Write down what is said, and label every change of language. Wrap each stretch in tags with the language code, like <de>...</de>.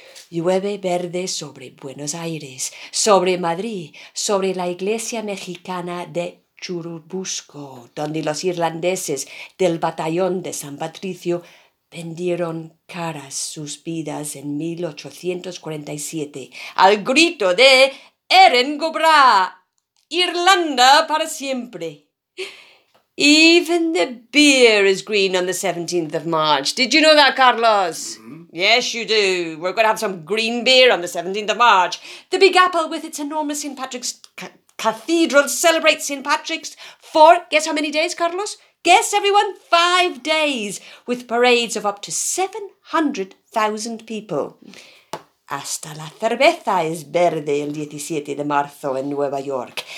<es>Llueve verde sobre Buenos Aires, sobre Madrid, sobre la iglesia mexicana de Churubusco, donde los irlandeses del batallón de San Patricio vendieron caras sus vidas en 1847 al grito de</es> <ga>Erin Go Brath,</ga> <es>Irlanda para siempre.</es> <en>Even the beer is green on the 17th of March. Did you know that, Carlos? Mm-hmm. Yes, you do. We're going to have some green beer on the 17th of March. The Big Apple with its enormous St. Patrick's Cathedral celebrates St. Patrick's for, guess how many days, Carlos? Guess, everyone, 5 days, with parades of up to 700,000 people.</en> <es>Hasta la cerveza es verde el 17 de marzo en Nueva York.</es>